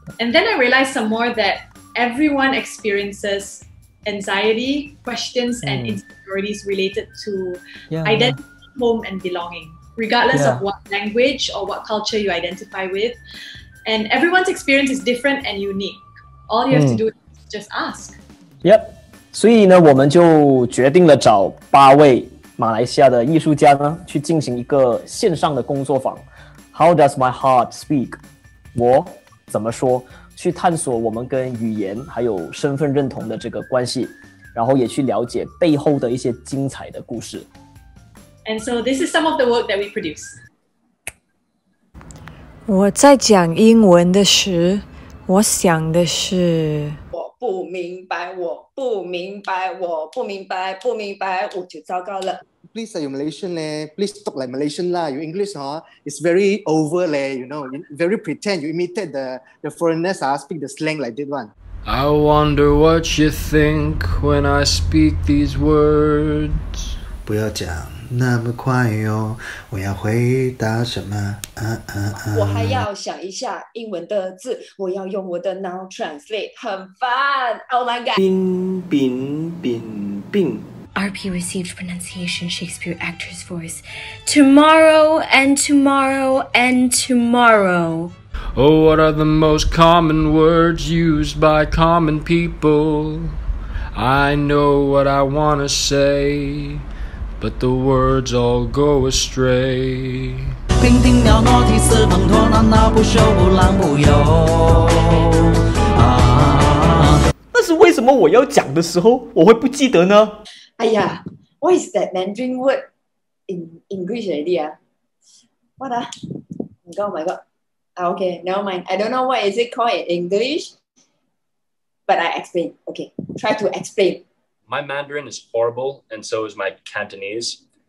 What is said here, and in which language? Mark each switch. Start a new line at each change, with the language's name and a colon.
English: And then I realized some more that everyone experiences. Anxiety, questions, and insecurities related to identity, home, and belonging, regardless of what language or what culture you identify with. And everyone's experience is different and unique. All you have to do is just ask. Yep.
Chinese: 所以呢，我们就决定了找8位马来西亚的艺术家呢，去进行一个线上的工作坊。
English: How does my heart speak?
Chinese: 我怎么说？去探索我们跟语言还有身份认同的这个关系，然后也去了解背后的一些精彩的故事。
English: And so this is some of the work that we produce.
Chinese: 我在讲英文的时候，我想的是我不明白，我不明白，我不明白，不明白，我就糟糕了。
English: Please, are you Malaysian? Please talk like Malaysian lah. Your English, huh? It's very over leh. You know, very pretend. You imitate the foreigners. Speak the slang like that one. I wonder what you think when I speak these words.
Chinese: 不要讲那么快哟、哦，我要回答什么？我还要想一下英文的字，我要用我的脑 translate， 很烦。
English: Oh my god！冰冰冰冰。 RP received pronunciation Shakespeare actor's voice. Tomorrow and tomorrow and tomorrow. Oh, what are the most common words used by common people? I know what I wanna say. But the words all go astray 听听了诺提斯蓬托那那不休不浪不游
Chinese: 但是为什么我要讲的时候我会不记得呢
English: 哎呀 What is that Mandarin word in English already、啊、What a Oh my god、ah, Okay, never mind I don't know what is it called in English But I explain Okay, try to explain My Mandarin is horrible, and so is my Cantonese.